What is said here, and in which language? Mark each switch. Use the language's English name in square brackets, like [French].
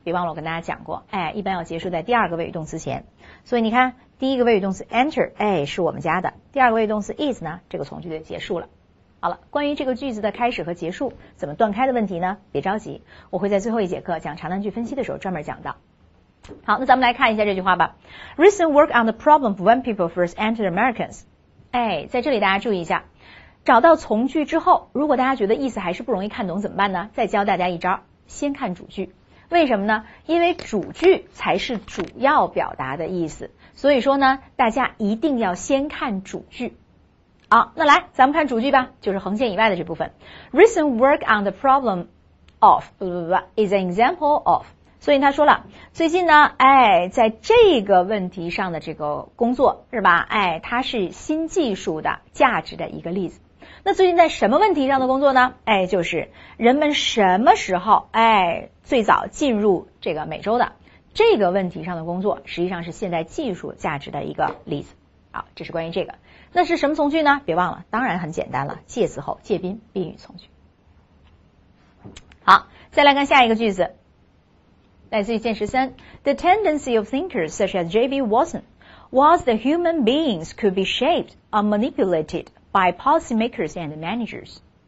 [Chinese] 别忘了我跟大家讲过，哎，一般要结束在第二个谓语动词前。所以你看，第一个谓语动词 enter， 哎，是我们家的。第二个谓语动词 is 呢，这个从句就结束了。好了，关于这个句子的开始和结束怎么断开的问题呢？别着急，我会在最后一节课讲长难句分析的时候专门讲到。好，那咱们来看一下这句话吧。 [English] Recent work on the problem of when people first entered Americans。 [Chinese] 哎，在这里大家注意一下，找到从句之后，如果大家觉得意思还是不容易看懂怎么办呢？再教大家一招，先看主句。为什么呢？因为主句才是主要表达的意思，所以说呢，大家一定要先看主句。好，那来，咱们看主句吧，就是横线以外的这部分。 [English] Recent work on the problem of is an example of。 [Chinese] 所以他说了，最近呢，哎，在这个问题上的这个工作是吧？哎，它是新技术的价值的一个例子。那最近在什么问题上的工作呢？哎，就是人们什么时候哎最早进入这个美洲的这个问题上的工作，实际上是现代技术价值的一个例子。好，这是关于这个。那是什么从句呢？别忘了，当然很简单了，介词后介宾宾语从句。好，再来看下一个句子。来自于剑十三 [English] ，The tendency of thinkers such as J.B. Watson was that human beings could be shaped or manipulated by policymakers and managers。